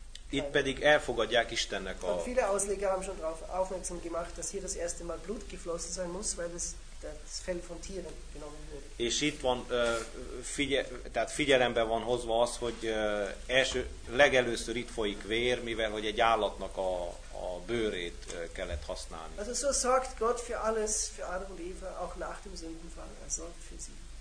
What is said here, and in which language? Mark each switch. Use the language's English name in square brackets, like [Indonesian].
[Hungarian] Itt pedig elfogadják Istennek a. [German] Und viele Ausleger haben schon darauf aufmerksam gemacht, dass hier das erste Mal Blut geflossen sein muss, weil das Fell von Tieren genommen wurde. [Hungarian] És itt van tehát figyelembe van hozva az, hogy legelőször itt folyik vér, mivel hogy egy állatnak a bőrét kellett használni. [German] Also so sorgt Gott für alles für Adam und Eva auch nach dem Sündenfall, er sorgt für sie.